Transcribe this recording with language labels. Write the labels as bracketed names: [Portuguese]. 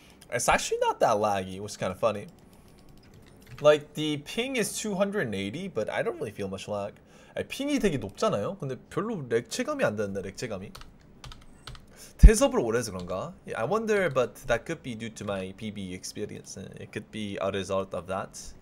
[English] It's actually not that laggy, which is kind of funny. Like, the ping is 280, but I don't really feel much lag. [Korean] 아니, 핑이 되게 높잖아요? 근데 별로 렉 체감이 안 되는데, 렉 체감이. 태섭을 오래 해서 그런가? [English] Yeah, I wonder, but that could be due to my PB experience. It could be a result of that.